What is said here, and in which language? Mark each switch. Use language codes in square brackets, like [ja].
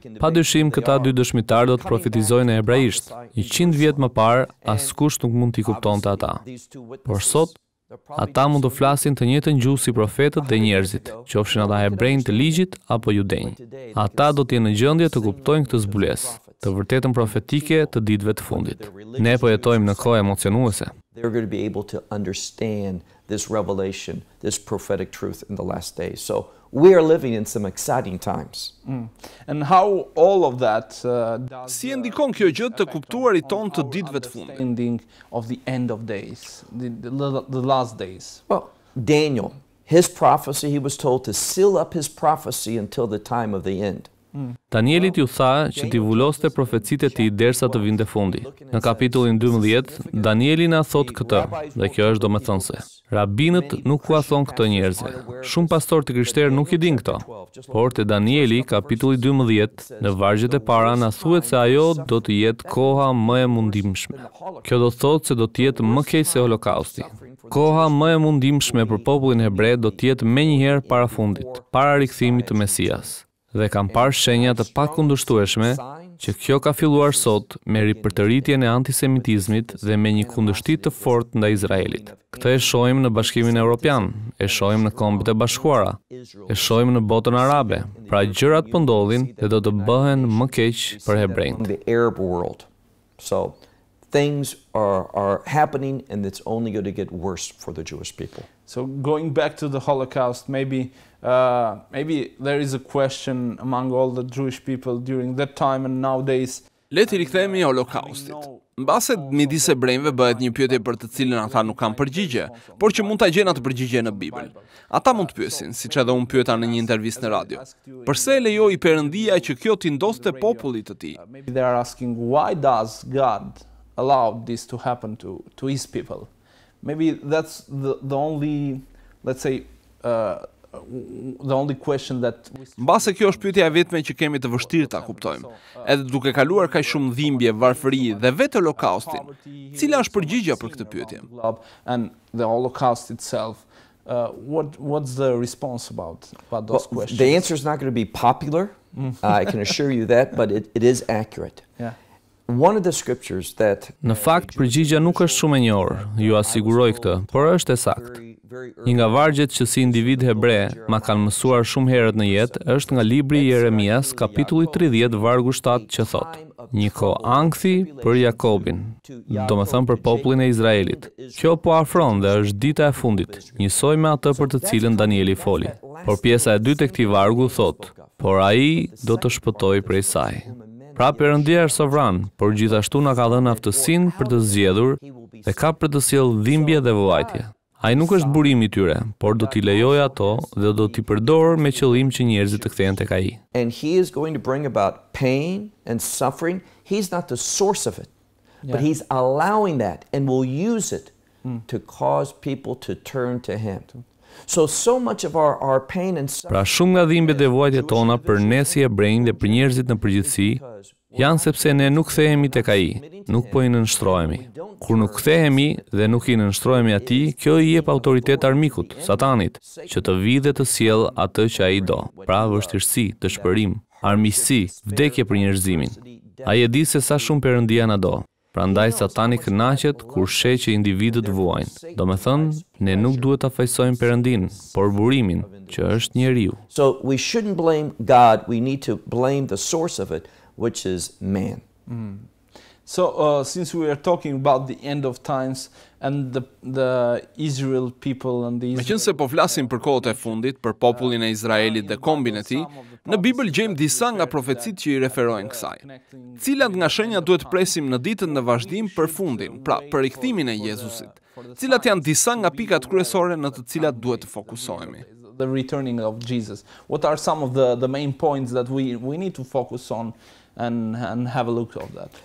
[sq] Pa dyshim, këta dy dëshmitar do të profetizojnë e hebraisht. 100 vjet më parë, askush nuk mund t'i kupton të ata. Por sot, ata mund të flasin të njëjtën gjuhë si profetët dhe njerëzit, qofshin ata hebrejnë të ligjit apo judenjë. Ata do t'jenë në gjendje të kuptojnë këtë zbulesë, të vërtetën profetike të ditëve të fundit. Ne po jetojmë në kohë emocionuese. [en] They're going to be able to understand this revelation, this prophetic truth in the last days. So We are living in some exciting times. And how all of that [sq] si e ndikon kjo gjë të kuptuarit ton të ditëve të fundit? [en] Ending of the end of days, the last days. Well, Daniel, his prophecy, he was told to seal up his prophecy until the time of the end. [sq] Danielit ju tha që t'i vuloste profecitë e tij derisa të vinte fundi. Në kapitullin 12, Danieli na thot këtë, dhe kjo është domethënëse. Rabinët nuk ua thon këtë njerëzve. Shumë pastor të krishterë nuk i din këto. Por te Danieli, kapitulli 12, në vargjet e para na thuhet se ajo do të jetë koha më e mundimshme. Kjo do thotë se do të jetë më keq se Holokausti. Koha më e mundimshme për popullin hebre do të jetë menjëherë para fundit, para rikthimit të Mesias. Dhe kam parë shenja të pakundështueshme që kjo ka filluar sot me ripërtëritjen e antisemitizmit dhe me një kundështit të fort nda Izraelit. Këtë e shohim në Bashkimin Evropian, e shohim në Kombet e Bashkuara, e shohim në botën arabe, pra gjërat po ndodhin dhe do të bëhen më keq për hebrejt. [en] Things are happening and it's only going to get worse for the Jewish people. So going back to the Holocaust, maybe there is a question among all the Jewish people during that time and nowadays. [sq] Le të rikthehemi Holokaustit. Mbase midis hebrejve bëhet një pyetje për të cilën ata nuk kanë përgjigje, por që mund ta gjenë atë përgjigje në Bibël. Ata mund të pyesin, siç edhe unë pyeta në një intervistë në radio. Pse e lejoi Perëndia që kjo t'i ndoste popullit të tij? [en] Maybe they are asking why does God allowed this to happen to his people. Maybe that's the only, let's say, the only question that [sq] mbase kjo është pyetja e vetme që kemi të vështirë ta kuptojmë. Edhe duke kaluar kaq shumë dhimbje, varfëri dhe vetë Holokaustin, cila është përgjigjja për këtë pyetje? [en] And the Holocaust itself, what's the response about those questions? Well, the answer is not going to be popular. I can assure you that, but it is accurate. Yeah. One of the scriptures that [sq] në fakt përgjigjja nuk është shumë e njohur, ju asiguroj këtë, por është e saktë. Një nga vargjet që si individ hebre ma kanë mësuar shumë herët në jetë është nga libri i Jeremias, kapitulli 30, vargu 7, që thotë: një kohë ankthi për Jakobin, do me thëmë për popullin e Izraelit. Kjo po afron dhe është dita e fundit, njësoj me atë për të cilën Danieli foli. Por pjesa e dytë e këtij vargu thotë: por ai do të shpëtojë prej saj. Pra Perëndia është sovran, por gjithashtu na ka dhënë aftësinë për të zgjedhur dhe ka për të sjellë dhimbje dhe vuajtje. Ai nuk është burimi i tyre, por do t'i lejojë ato dhe do t'i përdorë me qëllim që njerëzit të kthehen tek ai. [en] And he is going to bring about pain and suffering. He's not the source of it, but he's allowing that and will use it to cause people to turn to him. So much of our pain and suffering. [sq] Pra shumë nga dhimbjet e vuajtjet tona për ne si hebrejt dhe për njerëzit në përgjithësi janë sepse ne nuk kthehemi tek ai, nuk po i nënshtrohemi. Kur nuk kthehemi dhe nuk i nënshtrohemi atij, kjo i jep autoritet armikut, Satanit, që të vijë dhe të sjellë atë që ai do. Pra vështirësi, dëshpërim, armiqësi, vdekje për njerëzimin. Ai e di se sa shumë Perëndia na do. Prandaj Satani kënaqet kur sheh që individët vuajnë. Domethënë, ne nuk duhet ta fajsojmë Perëndin, por burimin, që është njeriu. [en] So we shouldn't blame God, we need to blame the source of it, which is man. So since we are talking about the end of times and the Israel people and the Israel. [sq] Meqense po flasim për kohët e fundit, për popullin e Izraelit dhe kombin e tij, në Bibël gjejmë disa nga profecitë që i referojnë kësaj. Cilat nga shenjat duhet presim në ditën e vazhdim për fundin, pra për rikthimin e Jezusit? Cilat janë disa nga pikat kryesore në të cilat duhet të fokusohemi? [en] The returning of Jesus. What are some of the main points that we need to focus on and have a look of that?